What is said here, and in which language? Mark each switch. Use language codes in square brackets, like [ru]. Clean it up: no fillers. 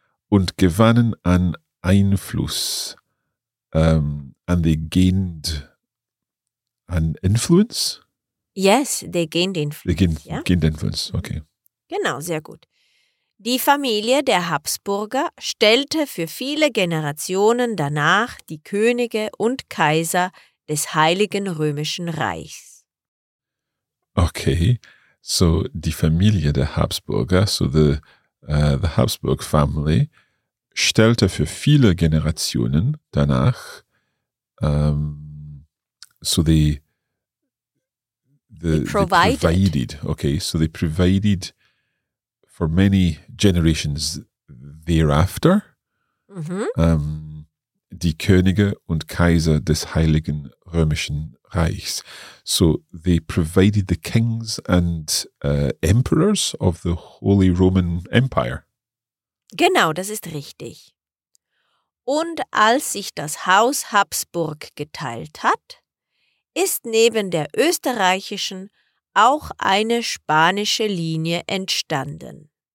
[de] Und gewannen an Einfluss. [en] And they gained an influence? Yes, they gained influence. Gained influence, okay. [de] Genau, sehr gut. Die Familie der Habsburger stellte für viele Generationen danach die Könige und Kaiser des Heiligen Römischen Reichs. [en] Okay, so [de] die Familie der Habsburger, [en] so the Habsburg family, [de] stellte für viele Generationen danach, so [en] they provided, okay, so they provided for many generations thereafter, mm-hmm. [de] Die Könige und Kaiser des Heiligen Römischen Reichs. [en] So they provided the kings and emperors of the Holy Roman Empire. [de] Genau, das ist richtig. Und als sich das Haus Habsburg geteilt hat, ist neben der österreichischen auch eine spanische Linie entstanden.